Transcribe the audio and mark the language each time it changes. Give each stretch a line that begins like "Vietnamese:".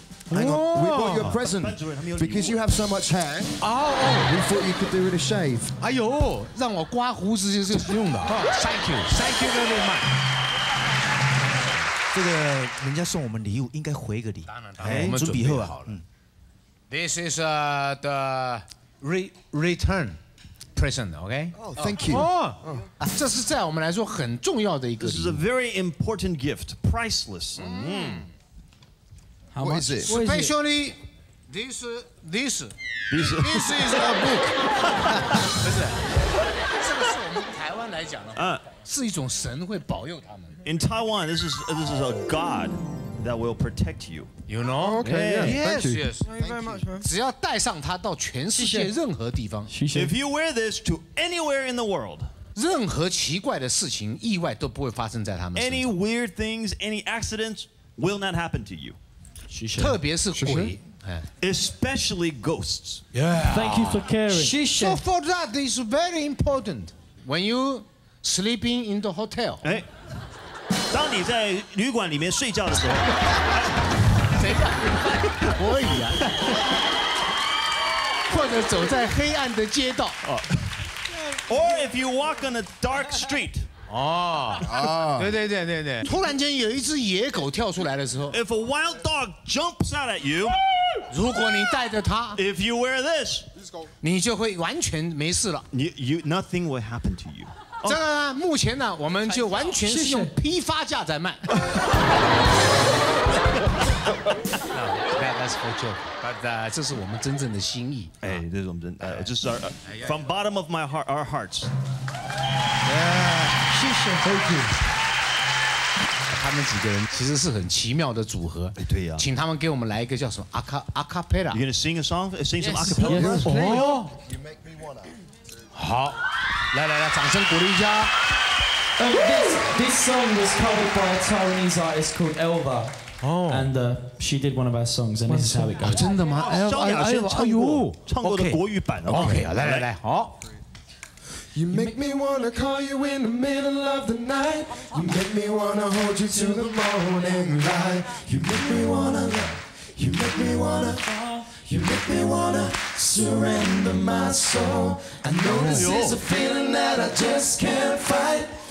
English: Hang on, we bought you a present because you have so much hair. Oh, we thought you could do it a shave.
Chinese: 哎呦，让我刮胡子就是用的。
English: Thank you very much.
Chinese: 这个人家送我们礼物，应该回个礼。当然，我们准备好了。
English: This is the return present. Okay. Oh, thank you.
Chinese: 哦，这是在我们来说很重要的一个。
English: This is a very important gift. Priceless. How much is it? Especially this. This. This is a book.
Chinese: 不是，这个是我们台湾来讲的话，是一种神会保佑他们。
English: In Taiwan, this is a God that will protect you. You know? Okay. Yes. Thank you. Thank you very much, man.
Chinese: 只要带上它到全世界任何地方。
English: 谢谢。 If you wear this to anywhere in the world.
Chinese: 任何奇怪的事情意外都不会发生在他们身
English: 上 any weird things any accidents will not happen to you
Chinese: 特别是鬼
English: especially ghosts、 yeah. thank you for caring so for that this is very important when you sleeping in the hotel
Chinese: 当你在旅馆里面睡觉的时候谁可以啊或者走在黑暗的街道、oh.
English: Or if you walk on a dark street. 哦，
Chinese: 对对对对对。突然间有一只野狗跳出来的时候。
English: If a wild dog jumps out at you.
Chinese: 如果你带着它。
English: If you wear this.
Chinese: 你就会完全没事了。
English: You nothing will happen to you.
Chinese: 这个目前呢，我们就完全是用批发价在卖。
English: That's for joke, but this
Chinese: is our 真正的心意。
English: 哎，这是我们真，这是 from bottom of my heart, our hearts.
Chinese: Yeah, 谢谢
English: ，Thank you。
Chinese: 他们几个人其实是很奇妙的组合。哎，对呀。请他们给我们来一个叫什么阿卡贝拉。
English: You gonna sing a song? Sing some acapella? Yes, please. You make me wanna.
Chinese: 好，来来来，掌声鼓励一下。
English: This song was covered by a Taiwanese artist called Elva. And she did one of our songs, and this is how it goes.
Chinese: 真的吗？萧亚轩唱过，唱过的国语版的。 OK 啊，来来来，好。
English: You make me wanna call you in the middle of the night. You make me wanna hold you till the morning light. You make me wanna love. You make me wanna fall. You make me wanna surrender my soul. I know this is a feeling that I just can't fight.